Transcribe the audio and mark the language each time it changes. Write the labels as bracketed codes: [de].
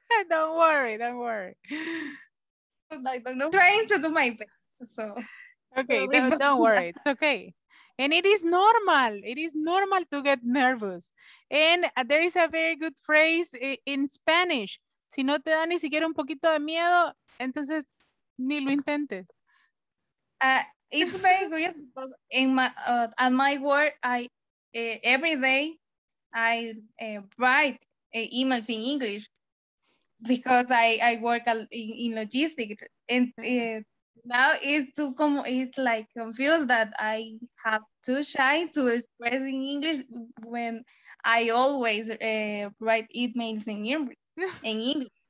[en] Don't worry. I'm trying to do my best. So. Okay, don't worry. It's okay. And it is normal. It is normal to get nervous. And there is a very good phrase in Spanish. [es] Si no te da ni siquiera un poquito de miedo, entonces ni lo intentes. [en] It's very curious because in my at my work, I every day I write emails in English because I work in logistics, and now it's too como it's like confused that I have too shy to express in English when I always write emails in English.